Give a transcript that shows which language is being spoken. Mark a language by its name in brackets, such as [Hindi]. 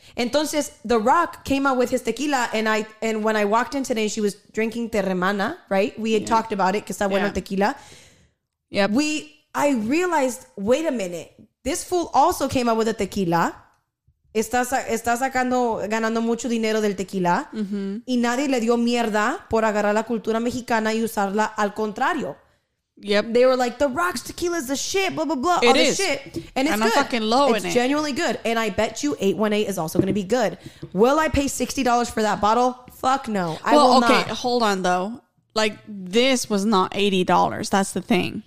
[English] Entonces, The Rock came out with his tequila, and when I walked in today, she was drinking Terremana, right? We had talked about it, [Spanish] que está bueno tequila. [English] Yep. I realized, wait a minute, this fool also came out with a tequila. [Spanish] Está sacando, ganando mucho dinero del tequila. Mm-hmm. Y nadie le dio mierda por agarrar la cultura mexicana y usarla al contrario. [English] Yep. They were like, The Rock's tequila is the shit, blah, blah, blah. It all this shit. And it's good. I'm fucking low in it. It's genuinely good. And I bet you 818 is also going to be good. Will I pay $60 for that bottle? Fuck no. I will not. Hold on, though. Like, this was not $80. That's the thing.